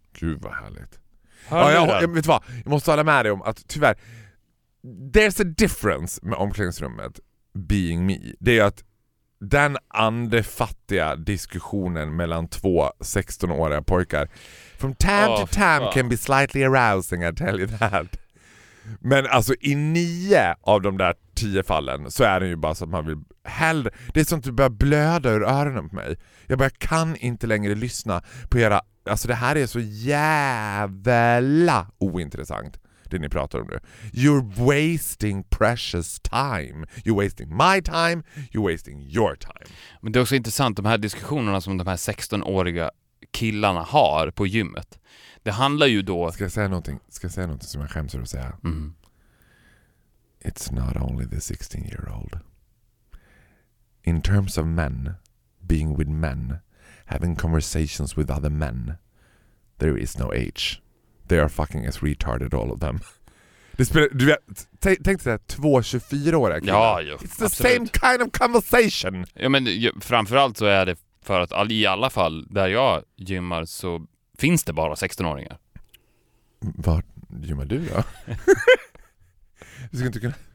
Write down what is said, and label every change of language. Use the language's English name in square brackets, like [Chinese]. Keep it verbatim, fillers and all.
[Swedish] Gud vad härligt. Ja, jag, jag, vet vad, jag måste hålla med dig om att tyvärr [English] there's a difference [Swedish] med omklädningsrummet [English] being me. [Swedish] Det är att den andefattiga diskussionen mellan två sexton-åriga pojkar [English] from time oh, to time [Swedish] fan. [English] Can be slightly arousing, I tell you that. [Swedish] Men alltså i nio av de där tio fallen så är det ju bara så att man vill hellre... Det är som att du börjar blöda ur öronen på mig. Jag bara kan inte längre lyssna på era... Alltså det här är så jävla ointressant, det ni pratar om nu. [English] You're wasting precious time. You're wasting my time. You're wasting your time. [Swedish] Men det är också intressant, de här diskussionerna som de här sexton-åriga killarna har på gymmet. Det handlar ju då... Ska jag säga någonting, ska jag säga någonting som jag skäms att säga? Mm. [English] It's not only the sixteen-year-old. In terms of men, being with men, having conversations with other men, there is no age. They are fucking as retarded, all of them. [Swedish] Det spelar, du vet, t- tänk dig två tjugofyra-åriga killar. Ja, ja, [English] it's the absolut. Same kind of conversation. [Swedish] Ja, men framförallt så är det för att all, i alla fall där jag gymmar så finns det bara sexton-åringar. Var gymmar du då? Du ska inte kunna...